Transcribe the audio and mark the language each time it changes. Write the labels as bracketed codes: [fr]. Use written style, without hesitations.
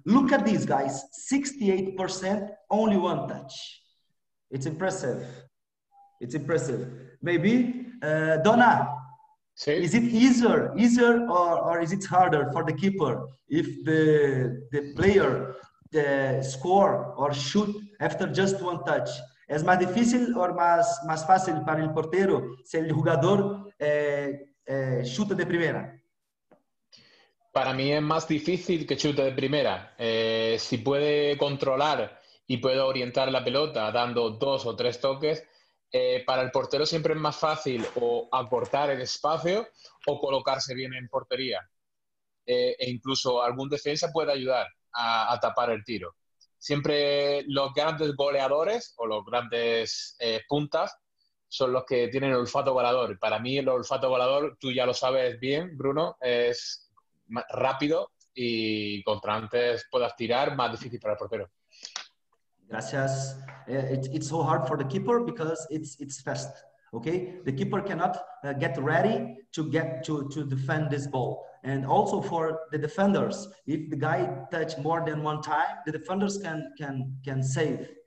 [en] Look at these guys, 68%, only one touch. It's impressive. It's impressive. Maybe, Dona. See? Is it easier or is it harder for the keeper if the player the score or shoot after just one touch? [pt] É mais difícil ou mais fácil para o porteiro se o jogador chuta de primeira? Para mim é mais difícil que chute de primeira. Se pode controlar e pode orientar [es] a pelota dando dois ou três toques, para el portero siempre es más fácil o acortar el espacio o colocarse bien en portería. E incluso algún defensa puede ayudar a tapar el tiro. Siempre los grandes goleadores o los grandes puntas son los que tienen el olfato goleador. Para mí el olfato goleador, tú ya lo sabes bien, Bruno, es más rápido y contra antes puedas tirar, más difícil para el portero. Gracias. [en] It's so hard for the keeper because it's fast. Okay, the keeper cannot get ready to defend this ball. And also for the defenders, if the guy touch more than one time, the defenders can save.